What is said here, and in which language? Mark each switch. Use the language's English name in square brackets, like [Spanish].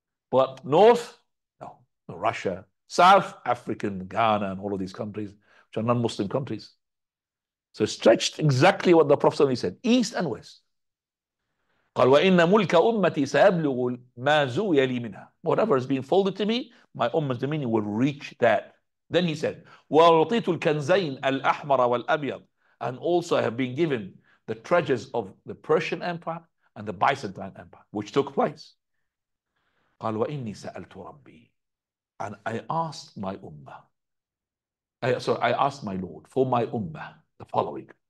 [English] But north, no. Russia. South, African, Ghana, and all of these countries, which are non-Muslim countries. So stretched exactly what the Prophet said, east and west. [Arabic] قَالْ وَإِنَّ مُلْكَ أُمَّتِي سَيَبْلُغُ مَا زُوِيَ لِي مِنْهَا. [English] Whatever is being folded to me, my ummah's dominion will reach that. Then he said, [Arabic] وَأُعْطِيتُ الْكَنْزَيْنَ الْأَحْمَرَ وَالْأَبْيَضِ. [English] And also I have been given the treasures of the Persian Empire and the Byzantine Empire, which took place. [Arabic] قَالْ وَإِنِّي سَأَلْتُ رَبِّي. [English] And I asked my ummah. I asked my Lord for my ummah the following.